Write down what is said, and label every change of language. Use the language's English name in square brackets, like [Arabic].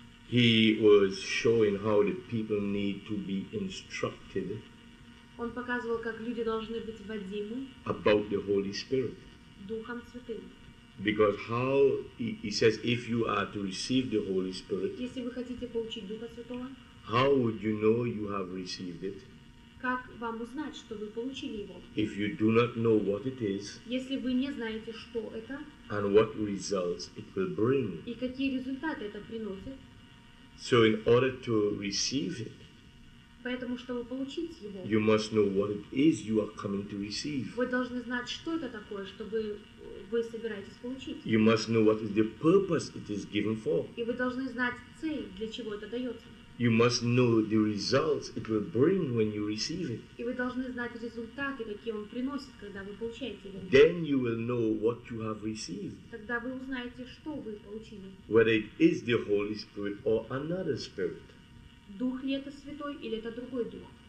[English] he was showing how the people need to be instructed. [Russian] Он показывал, как люди должны быть водимы. [English] About the Holy Spirit. [Russian] Духом Святым. [English] Because how he says, if you are to receive the Holy Spirit, [Russian] если вы хотите получить Духа Святого, [English] how would you know you have received it? [Russian] Как вам узнать, что вы получили его? [English] If you do not know what it is, [Russian] если вы не знаете, что это, [English] and what results it will bring, [Russian] и какие результаты это приносит, [English] so in order to receive it, [Russian] поэтому чтобы получить его, [English] you must know what it is you are coming to receive. [Russian] Вы должны знать, что это такое, что вы собираетесь получить. [English] You must know what is the purpose it is given for. [Russian] И вы должны знать цель, для чего это дается. [English] You must know the results it will bring when you receive it. [Russian] И вы должны знать результаты, какие он приносит, когда вы получаете его. [English] Then you will know what you have received. [Russian] Тогда вы узнаете, что вы получили. [English] Whether it is the Holy Spirit or another spirit. [Russian] Дух ли это святой или это другой дух?